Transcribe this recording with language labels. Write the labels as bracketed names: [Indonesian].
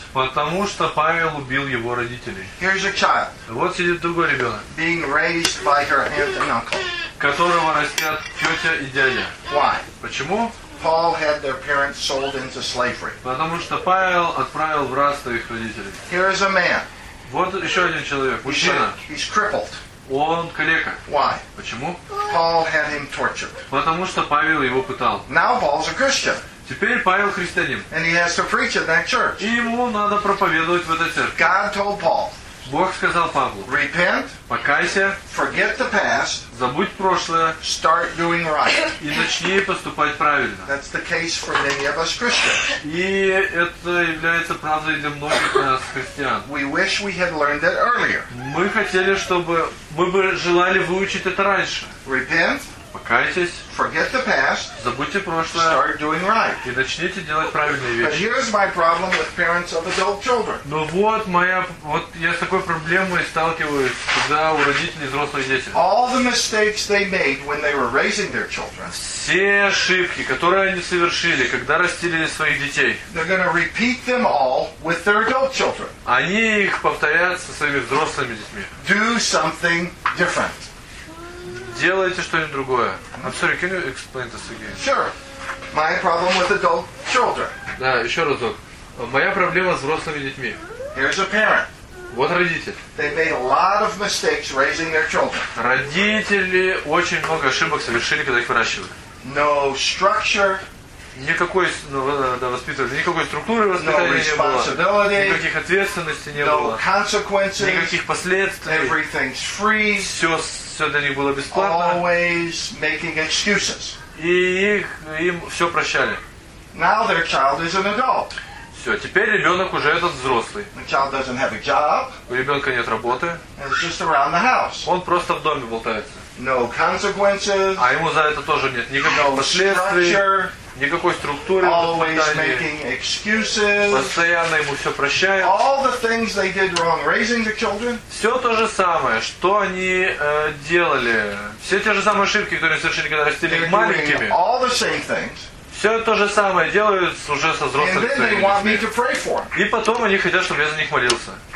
[Russian] Потому что Павел убил его родителей. [English] Here's a child. [Russian] Вот сидит другой ребенок. [English] Being raised by her aunt and uncle. [Russian] Которого растят тетя и дядя. [English] Why? [Russian] Почему? [English] Paul had their parents sold into slavery. [Russian] Потому что Павел отправил в рабство их родителей. [English] Here is a man. [Russian] Вот еще один человек, мужчина. [English] He's crippled. [Russian] Он калека. [English] Why? [Russian] Почему? [English] Paul had him tortured. [Russian] Потому что Павел его пытал. [English] Now Paul's a Christian. [Russian] Теперь Павел христианин. [English] And he has to preach in that church. [Russian] И ему надо проповедовать в этой церкви. [English] God told Paul. [Russian] Бог сказал Павлу. [English] Repent. [Russian] Покайся. [English] Forget the past. [Russian] Забудь прошлое. [English] Start doing right. [Russian] И начни поступать правильно. [English] That's the case for many of us Christians. [Russian] И это является правдой для многих нас христиан. [English] We wish we had learned it earlier. [Russian] Мы хотели, чтобы мы бы желали выучить это раньше. [English] Repent. [Russian] Покайтесь. [English] Forget the past. [Russian] Забудьте прошлое. [English] Start doing right. [Russian] И начните делать правильные вещи. [English] But here's my problem with parents of adult children. [Russian] Но вот моя, вот я с такой проблемой сталкиваюсь, когда у родителей взрослые дети. [English] All the mistakes they made when they were raising their children. [Russian] Все ошибки, которые они совершили, когда растили своих детей. [English] They're going to repeat them all with their adult children. [Russian] Они их повторят со своими взрослыми детьми. [English] Do something different. [Russian] Делайте что-нибудь другое. [English] I'm sorry, can you explain this again? Sure. My problem with adult children. [Russian] Да, еще разок. Моя проблема с взрослыми детьми. [English] Here's a parent. [Russian] Вот родитель. [English] They made a lot of mistakes raising their children. [Russian] Родители очень много ошибок совершили, когда их выращивали. [English] No structure. [Russian] Никакой, да, воспитывали, никакой структуры воспитания не было, никаких ответственностей не было, никаких последствий, [English] everything's free, [Russian] все для них было бесплатно, [English] always making excuses. [Russian] И им все прощали. [English] Now their child is an adult. [Russian] Все, теперь ребенок уже этот взрослый. [English] The child doesn't have a job. [Russian] У ребенка нет работы. [English] It's just around the house. [Russian] Он просто в доме болтается. [English] No consequences. [Russian] А ему за это тоже нет никакого последствий. Никакой структуры. [English] Always making excuses. [Russian] Постоянно ему все прощают. [English] All the things they did wrong raising the children. [Russian] Все то же самое, что они делали. Все те же самые ошибки, которые совершили, когда растили их маленькими. [English] All the same things. [Russian] Все то же самое делают уже со взрослыми. И потом они хотят, чтобы я за них молился.